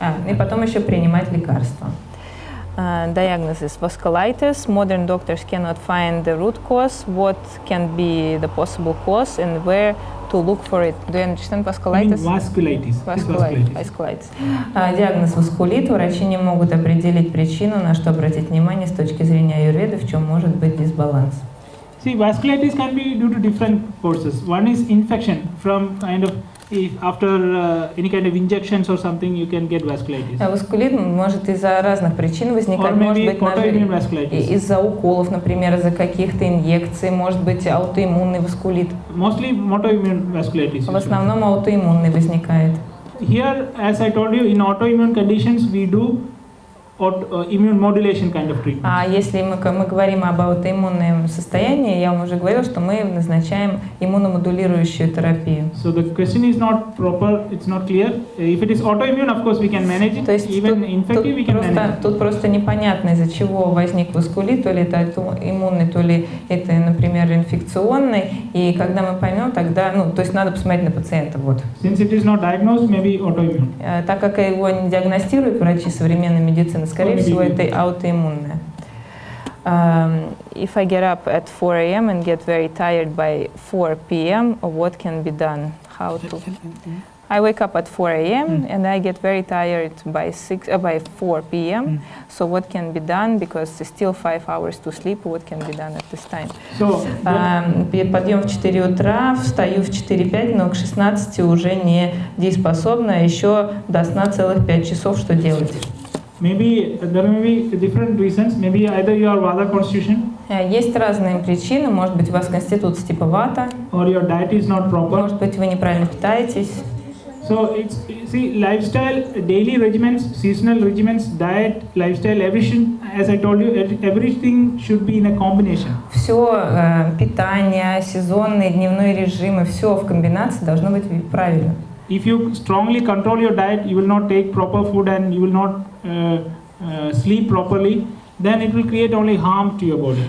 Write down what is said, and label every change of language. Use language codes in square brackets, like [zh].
[ru] И потом еще принимать лекарства. [en] Diagnosis: vasculitis. Modern doctors cannot find the root cause. What can be the possible cause and where to look for it? Do you understand vasculitis? I mean vasculitis. Vasculitis. [ru] Диагноз васкулит. Врачи не могут определить причину, на что обратить внимание с точки зрения аюрведы, в чем может быть дисбаланс. [en] See, vasculitis can be due to different causes. One is infection from kind of. If after any kind of injections or something, you can get vasculitis. [ru] Vasculit может из-за разных причин возникать. [en] Or maybe autoimmune vasculitis. [ru] Из-за уколов, например, из-за каких-то инъекций, может быть аутоиммунный васкулит. [en] Mostly autoimmune vasculitis. [ru] В основном аутоиммунный возникает. [en] Here, as I told you, in autoimmune conditions, we do immune modulation kind of treatment. [ru] А если мы говорим об аутоиммунном состоянии, я вам уже говорил, что мы назначаем иммуномодулирующую терапию. [en] So the question is not proper, it's not clear. If it is autoimmune, of course we can manage it. Even infective we can manage. [ru] То есть тут просто непонятно, из-за чего возник васкулит, то ли это аутоиммунный, то ли это, например, инфекционный. И когда мы поймем, тогда, ну, то есть надо посмотреть на пациента, вот. [en] Since it is not diagnosed, maybe autoimmune. [ru] Так как его не диагностируют врачи современной медицины, скорее всего, это аутоиммунное. [en] If I get up at 4 a.m. and get very tired by 4 p.m., what can be done? How to? I wake up at 4 a.m. And I get very tired by 4 p.m. So what can be done? Because it's still 5 hours to sleep. What can be done at this time? So, [ru] подъем в 4 утра, встаю в 4:05, но к 16 уже не дееспособна, еще до сна целых 5 часов, что делать? [en] Maybe there may be different reasons. Maybe either you are vata constitution. [ru] Есть разные причины. Может быть, у вас конституция типа вата. [en] Or your diet is not proper. [ru] Может быть, вы неправильно питаетесь. [en] So it's lifestyle, daily regimens, seasonal regimens, diet, lifestyle, everything. As I told you, everything should be in a combination. [ru] Все питание, сезонные, дневные режимы, все в комбинации должно быть правильно. [en] If you strongly control your diet, you will not take proper food and you will not sleep properly, then it will create only harm to your body.